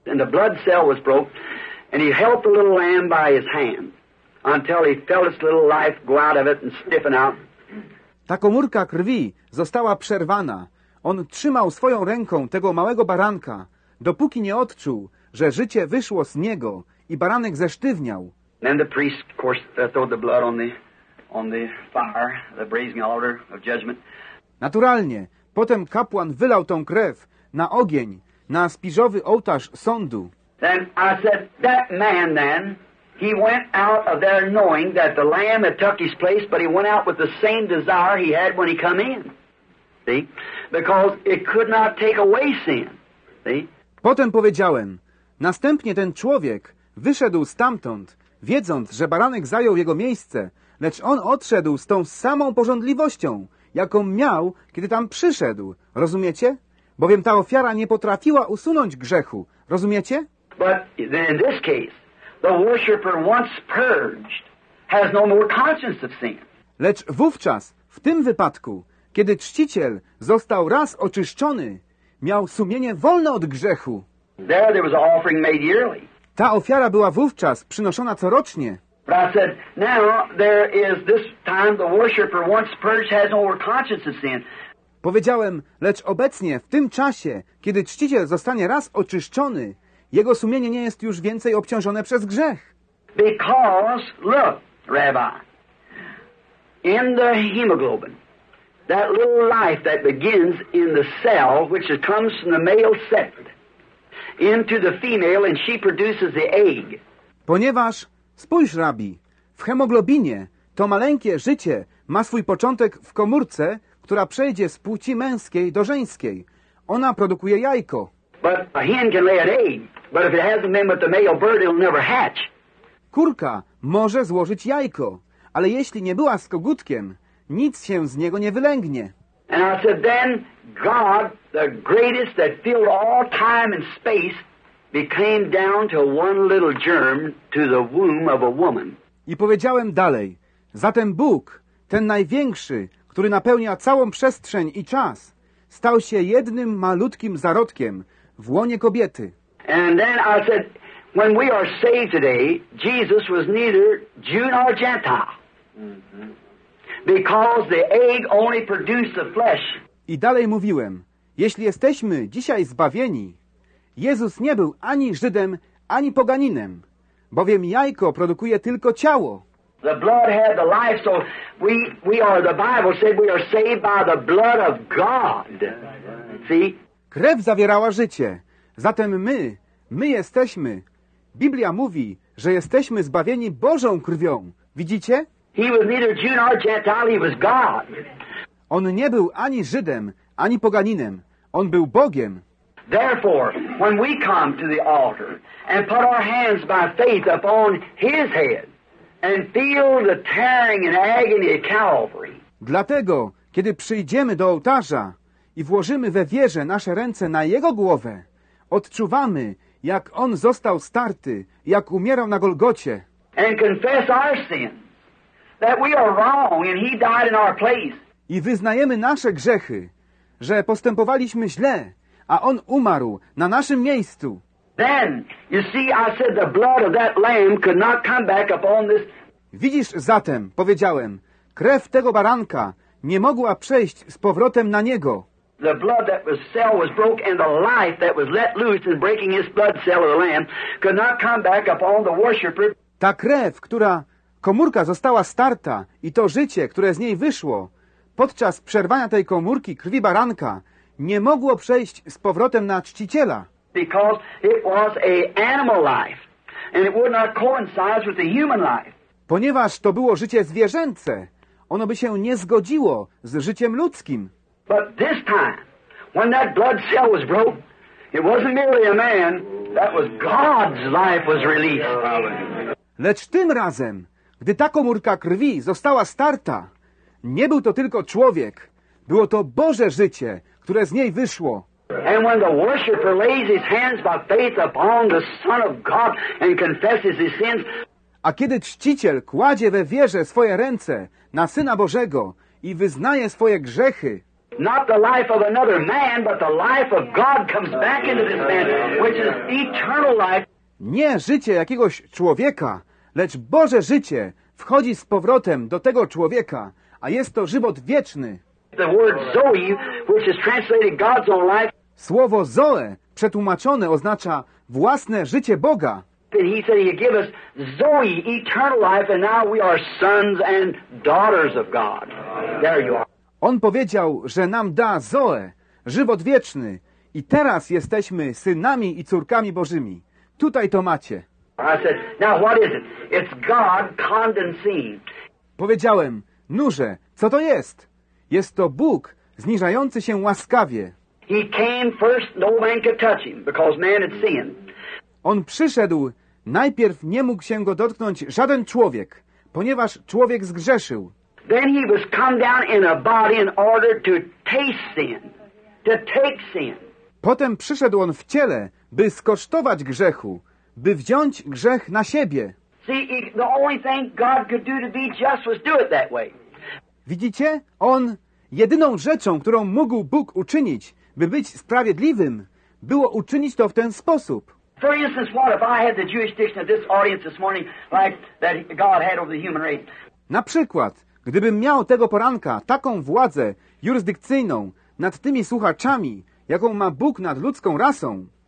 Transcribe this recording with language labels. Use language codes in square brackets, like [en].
[en] And the blood cell was broke. And he held the little lamb by his hand until he felt its little life go out of it and stiffen out. [pl] Ta komórka krwi została przerwana. On trzymał swoją ręką tego małego baranka, dopóki nie odczuł, że życie wyszło z niego i baranek zesztywniał. [en] Then the priest, of course, threw the blood on the fire, the brazen altar of judgment. [pl] Naturalnie, potem kapłan wylał tą krew na ogień, na spiżowy ołtarz sądu. [en] Then I said, that man then, he went out of there knowing that the lamb had took his place, but he went out with the same desire he had when he come in. See? Because it could not take away sin. See? [pl] Potem powiedziałem, następnie ten człowiek wyszedł stamtąd, wiedząc, że baranek zajął jego miejsce, lecz on odszedł z tą samą pożądliwością, jaką miał, kiedy tam przyszedł. Rozumiecie? Bowiem ta ofiara nie potrafiła usunąć grzechu. Rozumiecie? [en] But in this case, the worshipper once purged has no more conscience of sin. [pl] Lecz wówczas, w tym wypadku, kiedy czciciel został raz oczyszczony, miał sumienie wolne od grzechu. [en] There was an offering made yearly. [pl] Ta ofiara była wówczas przynoszona corocznie. [en] But I said, now there is this time the worshipper once purged has no more conscience of sin. [pl] Powiedziałem, lecz obecnie, w tym czasie, kiedy czciciel zostanie raz oczyszczony, jego sumienie nie jest już więcej obciążone przez grzech. [en] Because, look, Rabbi, in the hemoglobin, that little life that begins in the cell, which comes from the male sect, into the female, and she produces the egg. [pl] Ponieważ, spójrz, rabi, w hemoglobinie to maleńkie życie ma swój początek w komórce, która przejdzie z płci męskiej do żeńskiej. Ona produkuje jajko. [en] But a hen can lay an egg. But if it hasn't been with the male bird, it'll never hatch. [pl] Kurka może złożyć jajko, ale jeśli nie była z kogutkiem, nic się z niego nie wylęgnie. [en] And I said, then God, the greatest that filled all time and space, became down to one little germ to the womb of a woman. [pl] I powiedziałem dalej, zatem Bóg, ten największy, który napełnia całą przestrzeń i czas, stał się jednym malutkim zarodkiem w łonie kobiety. [en] And then I said, when we are saved today, Jesus was neither Jew nor Gentile. Because the egg only produced the flesh. [pl] I dalej mówiłem, jeśli jesteśmy dzisiaj zbawieni, Jezus nie był ani Żydem, ani poganinem, bowiem jajko produkuje tylko ciało. [en] The blood had the life, so we are, the Bible said we are saved by the blood of God. See? [pl] Krew zawierała życie. Zatem my jesteśmy. Biblia mówi, że jesteśmy zbawieni Bożą krwią. Widzicie? [en] He was neither Jew nor Gentile, he was God. [pl] On nie był ani Żydem, ani poganinem. On był Bogiem. [en] Therefore, when we come to the altar and put our hands by faith upon his head and feel the tearing and agony of Calvary. [pl] Dlatego, kiedy przyjdziemy do ołtarza i włożymy we wierze nasze ręce na jego głowę, odczuwamy, jak on został starty, jak umierał na Golgocie. [en] And confess our sins, that we are wrong and he died in our place. [pl] I wyznajemy nasze grzechy, że postępowaliśmy źle, a on umarł na naszym miejscu. [en] Then, you see, I said the blood of that lamb could not come back upon this. [pl] Widzisz zatem, powiedziałem, krew tego baranka nie mogła przejść z powrotem na niego. [en] The blood that was cell was broke and the life that was let loose in breaking his blood cell of the lamb could not come back upon the worshipper. [pl] Ta krew, która komórka została starta i to życie, które z niej wyszło, podczas przerwania tej komórki krwi baranka nie mogło przejść z powrotem na czciciela. [en] Because it was a animal life and it would not coincide with the human life. [pl] Ponieważ to było życie zwierzęce, ono by się nie zgodziło z życiem ludzkim. [en] But this time, when that blood cell was broke, it wasn't merely a man, that was God's life was released. [pl] Lecz tym razem, gdy ta komórka krwi została starta, nie był to tylko człowiek, było to Boże życie, które z niej wyszło. [en] And when the worshipper lays his hands by faith upon the Son of God and confesses his sins. [pl] A kiedy czciciel kładzie we wierze swoje ręce na Syna Bożego i wyznaje swoje grzechy, [en] not the life of another man, but the life of God comes back into this man, which is eternal life. [pl] Nie życie jakiegoś człowieka, lecz Boże życie wchodzi z powrotem do tego człowieka, a jest to żywot wieczny. [en] The word Zoe, which is translated God's own life. [pl] Słowo Zoe, przetłumaczone, oznacza własne życie Boga. [en] And he said he'd give us Zoe, eternal life, and now we are sons and daughters of God. There you are. [pl] On powiedział, że nam da Zoe, żywot wieczny, i teraz jesteśmy synami i córkami Bożymi. Tutaj to macie. [en] I said, now what is it? It's God condescending. [pl] Powiedziałem, nuże, co to jest? Jest to Bóg zniżający się łaskawie. [en] He came first, no man could touch him, because man had sinned. [pl] On przyszedł, najpierw nie mógł się go dotknąć żaden człowiek, ponieważ człowiek zgrzeszył. [en] Then he was come down in a body in order to taste sin, to take sin. [pl] Potem przyszedł on w ciele, by skosztować grzechu, by wziąć grzech na siebie. [en] See, the only thing God could do to be just was do it that way. [pl] Widzicie? On, jedyną rzeczą, którą mógł Bóg uczynić, by być sprawiedliwym, było uczynić to w ten sposób. [en] For instance, what if I had the jurisdiction of this audience this morning, like that God had over the human race? [pl] Na przykład, gdybym miał tego poranka taką władzę jurysdykcyjną nad tymi słuchaczami, jaką ma Bóg nad ludzką rasą.